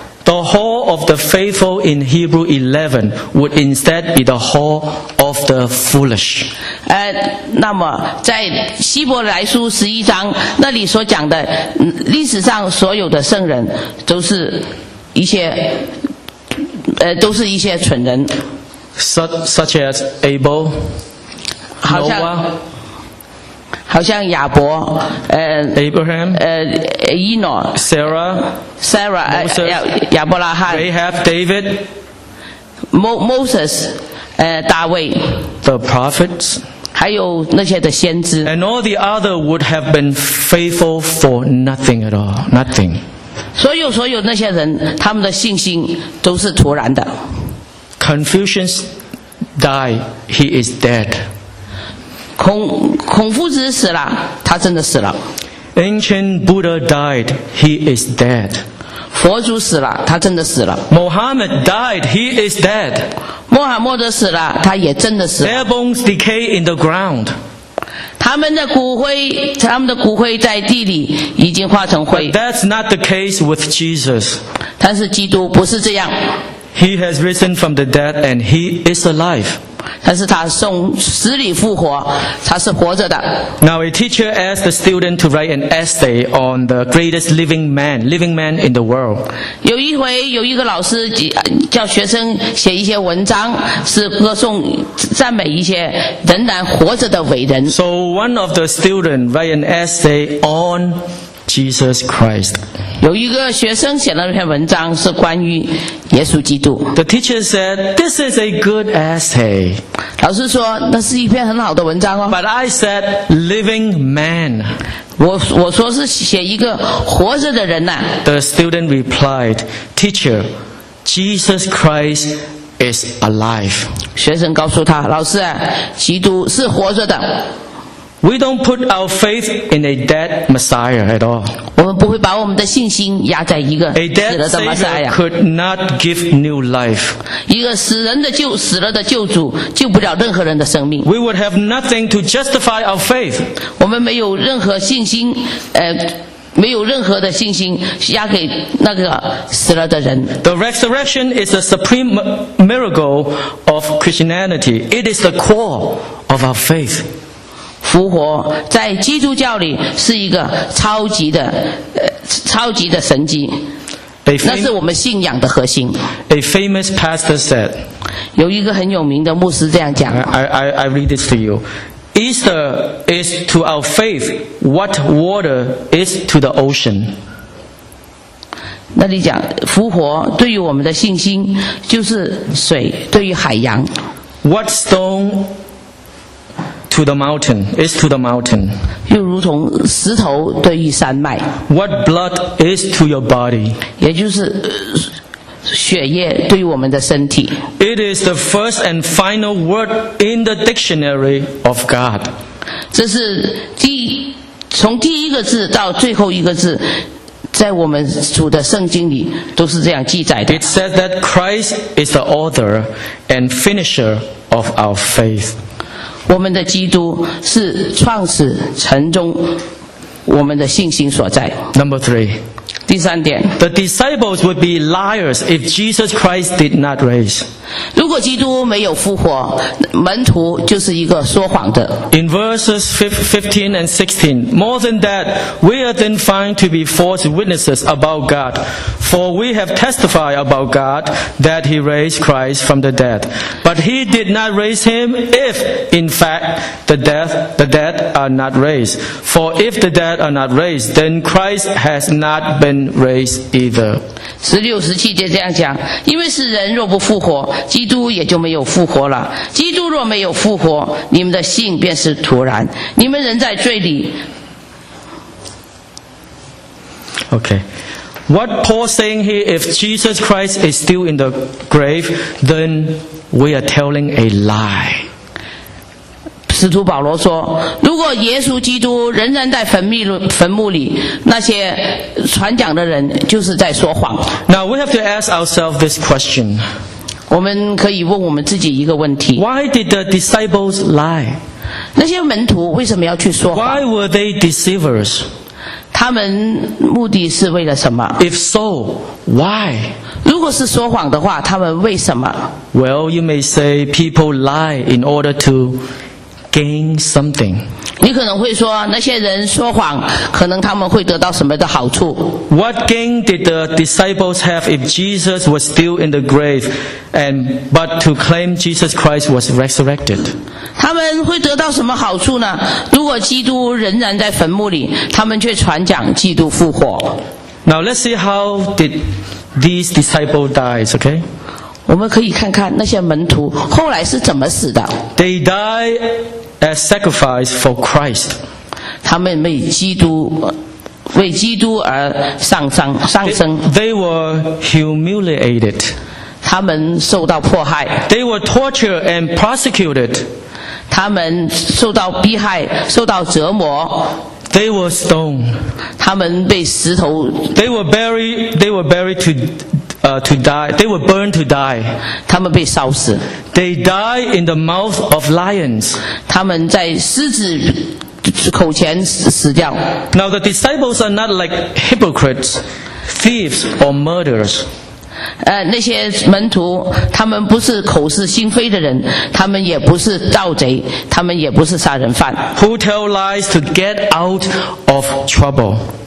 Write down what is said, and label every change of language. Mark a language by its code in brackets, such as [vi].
[en] the hall of the faithful in Hebrew 11 would instead be the hall of the foolish. [zh] 那么在希伯来书十一章那里所讲的，历史上所有的圣人都是一些。都是一些蠢人。 [en] Such as Abel, Noah, [zh] 好像亚伯， [en] Abraham, Enoch, Sarah, Moses, [zh] 亚伯拉罕， [en] Rahab, David, [zh] Moses, 大卫， [en] The prophets, [zh] 还有那些的先知， [en] and all the other would have been faithful for nothing at all, nothing. [zh] 所有那些人，他们的信心都是徒然的。 [en] Confucius died, he is dead. [zh] 孔夫子死了，他真的死了。 [en] Ancient Buddha died, he is dead. [zh] 佛祖死了，他真的死了。 [en] Muhammad died, he is dead. [zh] 穆罕默德死了，他也真的死了。 [en] Their bones decay in the ground. [zh] 他们的骨灰在地里已经化成灰。 [en] But that's not the case with Jesus. [zh] 但是基督不是这样。 [en] He has risen from the dead and he is alive. [zh] 但是他从死里复活，他是活着的。 [en] Now a teacher asked the student to write an essay on the greatest living man in the world. [zh] 有一回有一个老师叫学生写一些文章，是歌颂赞美一些仍然活着的伟人。 [en] So one of the students write an essay on Jesus Christ. [zh] 有一个学生写了一篇文章是关于耶稣基督。 [en] The teacher said, this is a good essay. [zh] 老师说那是一篇很好的文章哦。 [en] But I said living man. [zh] 我说是写一个活着的人呐。 [en] The student replied, Teacher, Jesus Christ is alive. [zh] 学生告诉他，老师啊，基督是活着的。 [en] We don't put our faith in a dead Messiah at all. [zh] 我们不会把我们的信心压在一个死了的 Messiah。 [en] A dead Savior could not give new life. [zh] 一个死人的救，死了的救主救不了任何人的生命。 [en] We would have nothing to justify our faith. [zh] 我们没有任何信心，没有任何的信心压给那个死了的人。 [en] The resurrection is the supreme miracle of Christianity. It is the core of our faith. [zh] 复活在基督教里是一个超级的、超级的神迹，那是我们信仰的核心。 [en] A famous pastor said, [zh] 有一个很有名的牧师这样讲。 [en] I read this to you. Easter is to our faith what water is to the ocean. [zh] 那你讲复活对于我们的信心就是水对于海洋。 [en] What stone? To the mountain, is to the mountain. [zh] 又如同石头对于山脉。 [en] What blood is to your body? [zh] 也就是血液对于我们的身体。 [en] It is the first and final word in the dictionary of God. [zh] 这是第从第一个字到最后一个字，在我们主的圣经里都是这样记载的。 [en] It says that Christ is the author and finisher of our faith. [zh] 我们的基督是创始成终我们的信心所在。 [en] Number three, [zh] 第三点， [en] The disciples would be liars if Jesus Christ did not raise. [zh] 如果基督没有复活，门徒就是一个说谎的。 [en] In verses 15 and 16, More than that, we are then found to be false witnesses about God, for we have testified about God that he raised Christ from the dead. But he did not raise him if, in fact, the dead are not raised. For if the dead are not raised, then Christ has not been raised either. [zh] 16, 17节这样讲，因为是人若不复活，基督也就没有复活了。基督若没有复活，你们的信便是徒然。你们人在罪里。 [en] Okay. What Paul saying here, if Jesus Christ is still in the grave, then we are telling a lie. [zh] 使徒保罗说，如果耶稣基督仍然在坟墓里，那些传讲的人就是在说谎。 [en] Now we have to ask ourselves this question. [zh] 我们可以问我们自己一个问题。 [en] Why did the disciples lie? [zh] 那些门徒为什么要去说谎？ [en] Why were they deceivers? [zh] 他们目的是为了什么？ [en] If so, why? [zh] 如果是说谎的话，他们为什么？ [en] Well, you may say people lie in order to gain something. [zh] 你可能会说，那些人说谎，可能他们会得到什么的好处？ [en] What gain did the disciples have if Jesus was still in the grave, and but to claim Jesus Christ was resurrected? [zh] 他们会得到什么好处呢？如果基督仍然在坟墓里，他们却传讲基督复活。 [en] Now let's see how did these disciples die, okay? [zh] 我们可以看看那些门徒后来是怎么死的。 [en] They die as sacrifice for Christ. [zh] 他们为基督而上升。 [en] They were humiliated. [zh] 他们受到迫害。 [en] They were tortured and persecuted. [zh] 他们受到逼害，受到折磨。 [en] They were stoned. [zh] 他们被石头。 [en] They were burned to die. [zh] 他们被烧死。 [en] They died in the mouth of lions. [zh] 他们在狮子口前死掉。 [en] Now the disciples are not like hypocrites, thieves, or murderers. [zh] 那些门徒，他们不是口是心非的人，他们也不是盗贼，他们也不是杀人犯。 [en] Who tell lies to get out of trouble?